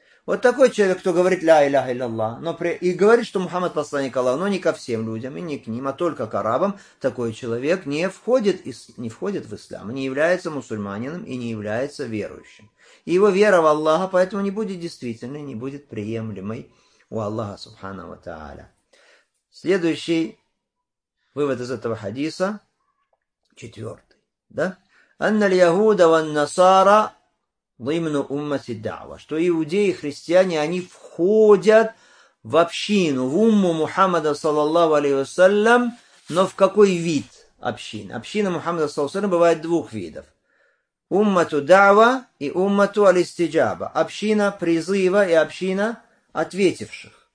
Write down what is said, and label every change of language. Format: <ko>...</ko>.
<ru>Вот такой человек, кто говорит «Ля иляха илляллах», и говорит, что «Мухаммад – посланник Аллаха», но не ко всем людям и не к ним, а только к арабам, такой человек не входит в ислам, не является мусульманином и не является верующим. И его вера в Аллаха поэтому не будет действительной, не будет приемлемой у Аллаха, субхана ва тааля. Следующий вывод из этого хадиса, четвертый, да?</ru> <ar>أن اليهود والنصارى ضمن أمة الدعوة.</ar> <ru>Что иудеи, христиане, они входят в общину, в умму Мухаммада, саллаллаху алейхи вассалям, но в какой вид общины? Община Мухаммада, саллаллаху алейхи вассалям, бывает двух видов. Уммату дава и уммату алистиджаба. Община призыва и община ответивших.</ru>